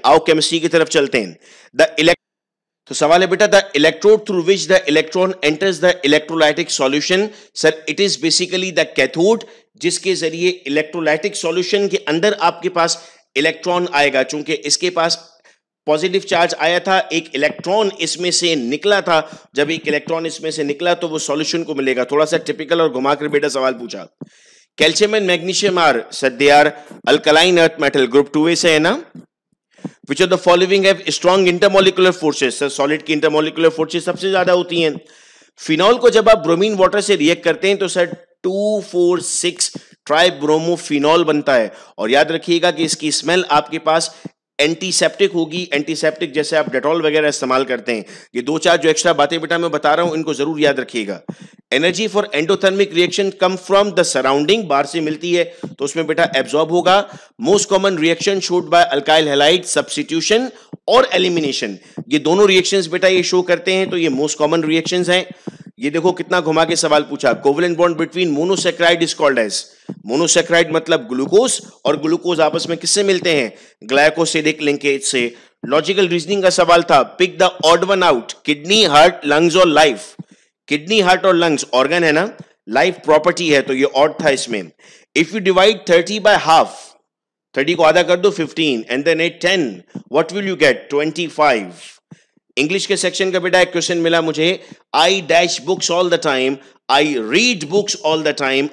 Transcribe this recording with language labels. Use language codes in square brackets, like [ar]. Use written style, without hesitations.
[hi] आओ केमिस्ट्री की तरफ चलते हैं. तो सवाल है बेटा [en] the electrode through which the electron enters the electrolytic solution, sir it is basically the cathode, [hi] जिसके जरिए इलेक्ट्रोलाइटिक सॉल्यूशन के अंदर आपके पास इलेक्ट्रॉन आएगा, क्योंकि इसके पास पॉजिटिव चार्ज आया था, एक इलेक्ट्रॉन इसमें से निकला था, जब एक इलेक्ट्रॉन इसमें से निकला तो वो सॉल्यूशन को मिलेगा. थोड़ा सा टिपिकल और घुमाकर बेटा सवाल पूछा. [en] calcium and magnesium are, sir they are alkaline earth metal, [hi] group 2A से है ना. [en] Which of the following have strong intermolecular forces? [hi] Sir, solid की intermolecular forces सबसे ज्यादा होती हैं. Phenol को जब आप bromine water से react करते हैं तो sir 2,4,6 tribromophenol बनता है. और याद रखिएगा कि इसकी smell आपके पास antiseptic होगी. Antiseptic जैसे आप Dettol वगैरह इस्तेमाल करते हैं. ये दो चार जो extra बातें बेटा मैं बता रहा हूँ इनको जरूर याद रखिएगा. [en] Energy for endothermic reaction come from the surrounding, [hi] बाहर से मिलती है तो उसमें बेटा absorb होगा. [en] Most common reaction showed by alkyl halide substitution [hi] और elimination, ये दोनों reactions बेटा ये show करते हैं, तो ये [en] most common reactions [hi] हैं. ये देखो कितना घुमा के सवाल पूछा. [en] Covalent bond between monosaccharide is called as, [hi] monosaccharide मतलब glucose, और glucose आपस में किससे मिलते हैं, glycosidic linkage से. [en] Logical reasoning [hi] का सवाल था, [en] pick the odd one out, kidney, heart, lungs or life. [hi] Kidney heart और लंग्स ऑर्गन है ना, लाइफ प्रॉपर्टी है, तो ये ऑड था इसमें. [en] if you divide 30 by 1/2, [hi] 30 को आधा कर दो [en] 15 and then 8 10, what will you get, 25. [hi] English के सेक्शन का बेटा एक क्वेश्चन मिला मुझे. [en] I dash books all the time, I read books all the time.